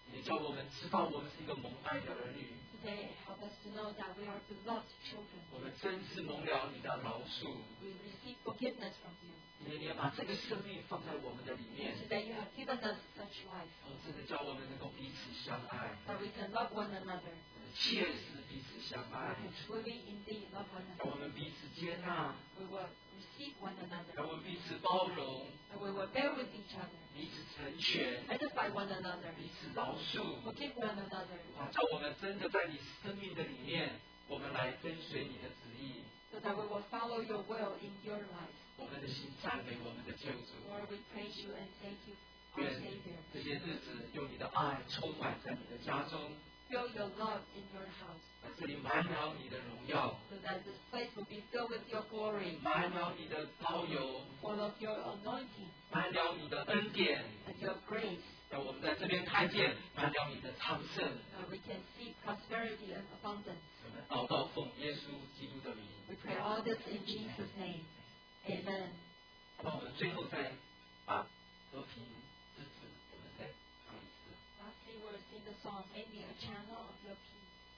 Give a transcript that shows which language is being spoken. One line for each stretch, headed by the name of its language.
Chinese: 你叫我们知道我们是一个蒙爱的儿女,
English: today, help us to know that we are beloved children.
Chinese: 我们真是蒙了你的饶恕,
English: we receive forgiveness from you.
Chinese: 你也把这个生命放在我们的里面,
English: so that you have given us such life.
Chinese: 哦，真的叫我们能够彼此相爱,
English: that we can love one another.
Chinese: 切实彼此相爱,
English: we truly indeed love one another.
Chinese: 让我们彼此接纳,
English: we will receive one another.
Chinese: 让我们彼此包容,
English: and we will bear with each other.
Chinese: 彼此成全,
English: edify one another.
Chinese: 彼此饶恕,
English: forgive one another.
Chinese: 叫我们真的在你生命的里面, 我们来跟随你的旨意,
English: so that we will follow your will in your life.
Chinese: 我们的心赞美我们的救主,
English: Lord, we praise you and thank you, our Savior.
Chinese: 这些日子用你的爱充满在你的家中,
English: fill your love in your house,
Chinese: 把这里满了你的荣耀,
English: so that this place will be filled with your glory,
Chinese: 满了你的膏油,
English: full of your anointing,
Chinese: 满了你的恩典,
English: and your grace,
Chinese: 让我们在这边看见, 满了你的昌盛,
English: that we can see prosperity and abundance.
Chinese: 我们祷告奉耶稣基督的名,
English: we pray all this in Jesus' name. Amen. Lastly, we'll sing the song, Make Me a Channel of Your Peace.